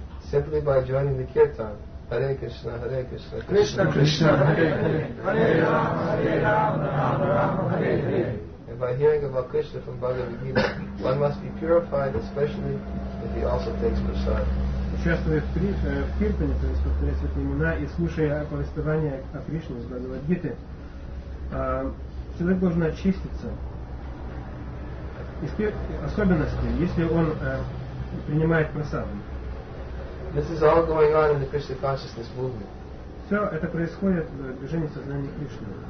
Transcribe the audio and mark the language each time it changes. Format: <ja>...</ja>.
<en>Simply by joining the kirtan.</en> <sa>Hare Krishna, Hare Krishna, Krishna Krishna, Hare Hare, Hare Rama, Hare Rama, Rama Rama, Hare Hare.</sa> <en>And by hearing about Krishna from Bhagavad Gita, one must be purified, especially if he also takes prasad.</en> <ru>Участвуя в киртане, то есть повторяя святые имена, и слушая повествование о Кришне из Бхагавад Гиты, человек должен очиститься. Особенности, если он принимает прасад.</ru> <en>This is all going on in the Krishna consciousness movement.</en> <ru>Все это происходит в движении сознания Кришны.</ru>